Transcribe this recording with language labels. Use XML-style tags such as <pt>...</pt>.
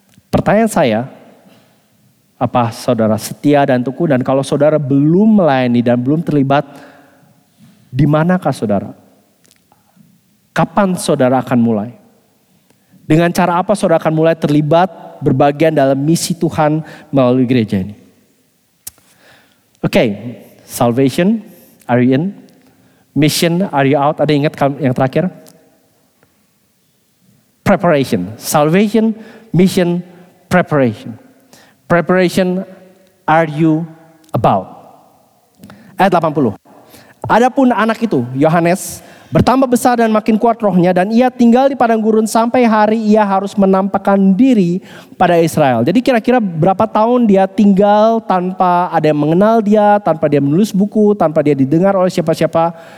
<id>Pertanyaan saya, apa saudara setia dan tekun? Dan kalau saudara belum melayani dan belum terlibat, di manakah saudara? Kapan saudara akan mulai? Dengan cara apa saudara akan mulai terlibat berbagian dalam misi Tuhan melalui gereja ini?</id> <en>Okay, salvation, are you in? Mission, are you out?</en> <id>Ada ingat yang terakhir?</id> <en>Preparation, salvation, mission, preparation. Preparation, are you about?</en> <id>Ayat 80. Adapun anak itu, Yohanes, bertambah besar dan makin kuat rohnya, dan ia tinggal di padang gurun sampai hari ia harus menampakkan diri pada Israel. Jadi kira-kira berapa tahun dia tinggal tanpa ada yang mengenal dia, tanpa dia menulis buku, tanpa dia didengar oleh siapa-siapa?</id>